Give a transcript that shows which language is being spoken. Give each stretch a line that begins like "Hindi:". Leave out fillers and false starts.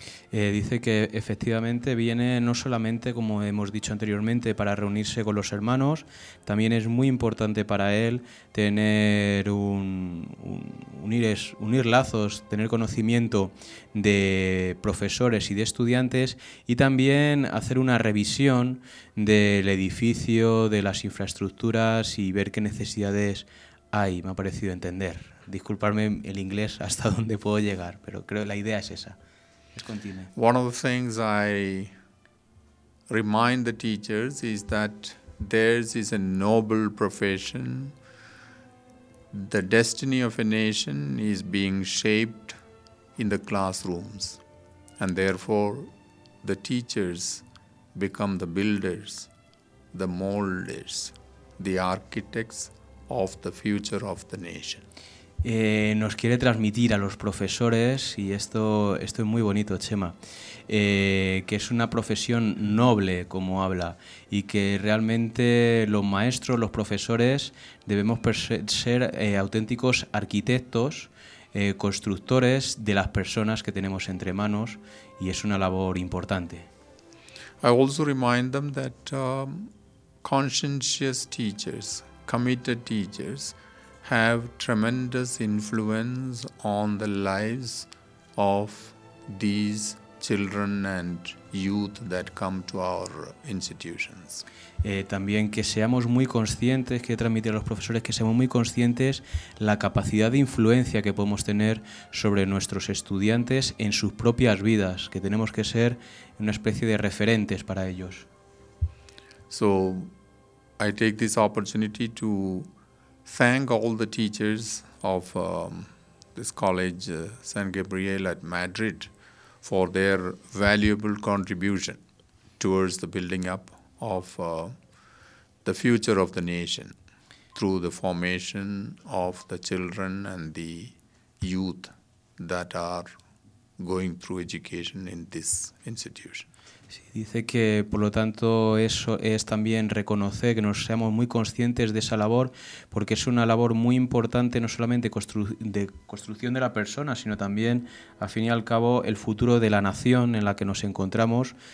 Spanish: Dice que efectivamente viene no solamente, como hemos dicho anteriormente, para reunirse con los hermanos, también es muy importante para él tener unir lazos, tener conocimiento de profesores y de estudiantes, y también hacer una revisión del edificio, de las infraestructuras y ver qué necesidades hay. Me ha parecido entender. Disculparme el inglés hasta donde puedo llegar, pero creo que la idea es esa.
English: One of the things I remind the teachers is that theirs is a noble profession. The destiny of a nation is being shaped in the classrooms, and therefore the teachers become the builders, the molders, the architects of the future of the nation.
Spanish: Nos quiere transmitir a los profesores, y esto es muy bonito, Chema, que es una profesión noble, como habla, y que realmente los maestros, los profesores, debemos ser auténticos arquitectos, constructores de las personas que tenemos entre manos, y es una labor importante.
English: I also remind them that conscientious teachers, committed teachers, have tremendous influence on the lives of these children and youth that come to our institutions.
Spanish: También que seamos muy conscientes, que transmitir a los profesores que seamos muy conscientes la capacidad de influencia que podemos tener sobre nuestros estudiantes en sus propias vidas, que tenemos que ser una especie de referentes para ellos.
English: So, I take this opportunity to thank all the teachers of this college, San Gabriel at Madrid, for their valuable contribution towards the building up of the future of the nation through the formation of the children and the youth that are going through education in this institution.
Spanish: Sí, dice que, por lo tanto, eso es también reconocer que nos seamos muy conscientes de esa labor, porque es una labor muy importante, no solamente de construcción de la persona, sino también, al fin y al cabo, el futuro de la nación en la que nos encontramos.